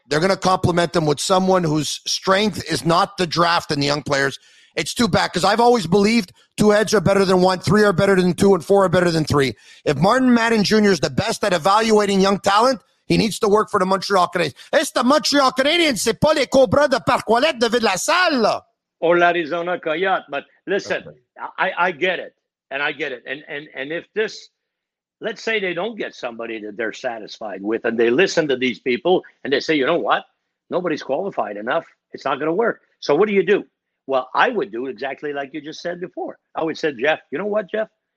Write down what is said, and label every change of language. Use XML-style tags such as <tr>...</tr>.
<en>They're going to compliment them with someone whose strength is not the draft and the young players. It's too bad because I've always believed two heads are better than one, three are better than two, and four are better than three. If Martin Madden Jr. is the best at evaluating young talent, he needs to work for the Montreal Canadiens. It's the Montreal Canadiens.</en> <fr>C'est pas les Cobras de Parcoilette de Ville-la-Salle.</fr> <en>Or l'Arizona Coyote. But listen, I get it. And if this, let's say they don't get somebody that they're satisfied with and they listen to these people and they say, you know what? Nobody's qualified enough. It's not going to work. So what do you do? Well, I would do exactly like you just said before. I would say, Jeff, you know what, Jeff?</en>